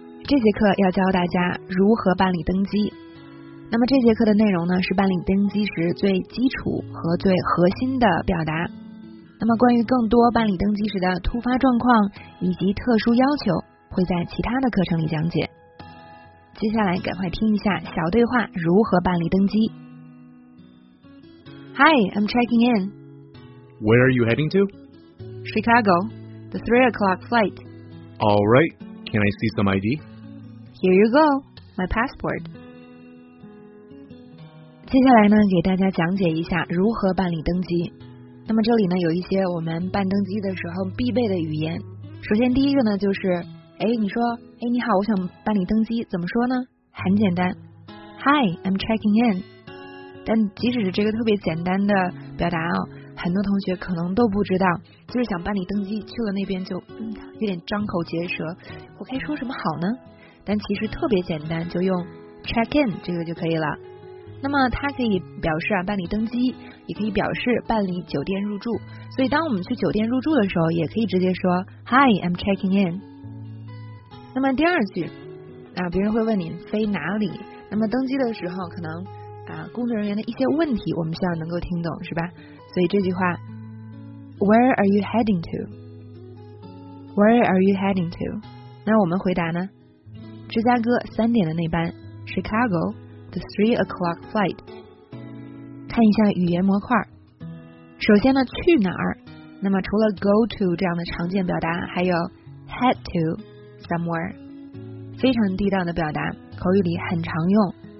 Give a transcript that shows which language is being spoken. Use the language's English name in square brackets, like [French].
[Chinese] 这节课要教大家如何办理登机。那么这节课的内容呢，是办理登机时最基础和最核心的表达。那么关于更多办理登机时的突发状况以及特殊要求，会在其他的课程里讲解。接下来赶快听一下小对话如何办理登机。 [English] Hi, I'm checking in. Where are you heading to? Chicago, the 3 o'clock flight. All right, can I see some ID? Here you go, my passport. [Chinese] 接下来呢，给大家讲解一下如何办理登机。那么这里呢，有一些我们办登机的时候必备的语言。首先第一个呢，就是哎，你说，哎，你好，我想办理登机，怎么说呢？很简单 ， [English] Hi, I'm checking in。 [Chinese] 但即使是这个特别简单的表达啊、哦，很多同学可能都不知道，就是想办理登机，去了那边就有点张口结舌，我该说什么好呢？但其实特别简单，就用 check in 这个就可以了。那么它可以表示啊办理登机，也可以表示办理酒店入住。所以当我们去酒店入住的时候，也可以直接说 [English] Hi, I'm checking in。 [Chinese] 那么第二句啊，别人会问你飞哪里，那么登机的时候可能啊工作人员的一些问题我们需要能够听懂，是吧？所以这句话 [English] Where are you heading to? [Chinese] Where are you heading to? 那我们回答呢，芝加哥3点的那班 [English] Chicago the 3 o'clock flight。 [Chinese] 看一下语言模块，首先呢去哪儿，那么除了 go to 这样的常见表达，还有 head toSomewhere， 非常地道的表达，口语里很常用。